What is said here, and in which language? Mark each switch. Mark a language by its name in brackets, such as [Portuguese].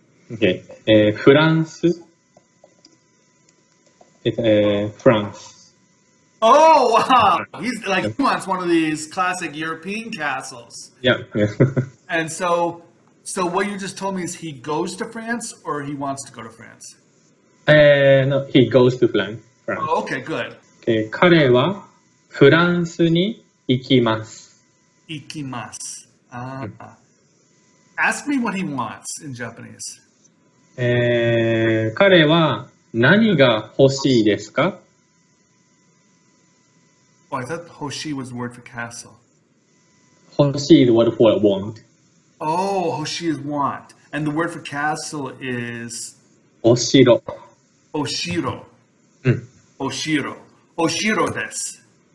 [Japanese] Okay, フランス。フランス。 [English] Oh, wow! He's like, he wants one of these classic European castles. Yeah. And so what you just told me is he goes to France or he wants to go to France? No, he goes to France. Oh, okay, good. OK. [Japanese] 彼はフランスに行きます。行きます。 [English] Ah. Ask me what he wants in Japanese. [Japanese] 彼は何が欲しいですか? [English] Oh, I thought 欲しい was the word for castle. 欲しい is the word for want. Oh, 欲しい is want. And the word for castle is... [Japanese] お城。お城。うん。お城。お城です。